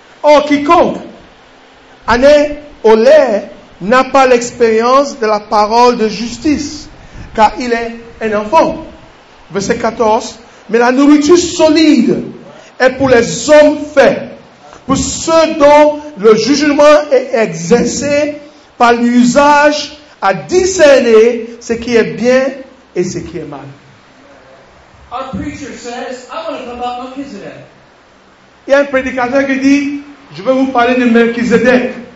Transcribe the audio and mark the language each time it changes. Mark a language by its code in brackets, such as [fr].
[fr] Or, quiconque en est au lait n'a pas l'expérience de la parole de justice, car il est un enfant. Verset 14. Mais la nourriture solide est pour les hommes faits, pour ceux dont le jugement est exercé par l'usage à discerner ce qui est bien et ce qui est mal. [en] Our preacher says, I want to talk about Melchizedek. [fr] Il y a un prédicateur qui dit, je veux vous parler de Melchizedek.